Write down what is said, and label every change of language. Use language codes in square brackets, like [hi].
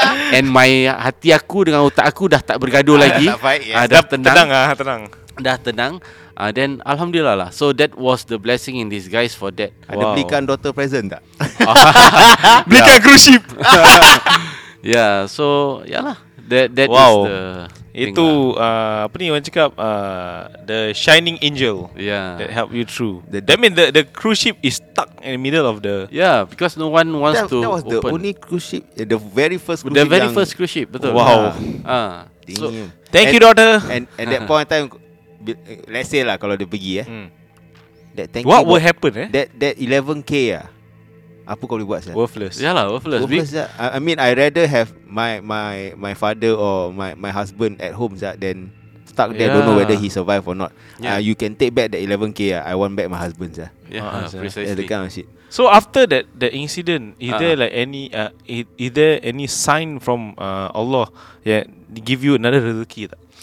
[en] And my [ms] hati aku dengan otak aku dah tak bergaduh lagi. Dah tenang. Then alhamdulillah lah. [en] So that was the blessing in disguise for that. [ms] Ada belikan [en] daughter present [ms] tak? Belikan cruise ship. [en] Yeah, so yalah. That is the [ms] itu apa ni orang cakap, [en] the shining angel. Yeah. That help you through. That mean the cruise ship is stuck in the middle of the, yeah, because no one wants to open. That was open. The only cruise ship, the very first cruise the ship. The very first cruise ship, betul. Wow. So thank you daughter. And at that point in time, let's say lah, [ms] kalau dia pergi [en] that thank what you will happen [ms] That 11K apa kau boleh buat sah? [en] Worthless. Ya lah, worthless. Worthless sah. I mean, I rather have my father or my husband at home sah than stuck there. Don't know whether he survive or not. Yeah. You can take back that 11K I want back my husband sah. Yeah, precisely. That's the kind of shit. So after that incident, is there like any is there any sign from Allah yang give you another rezeki tak?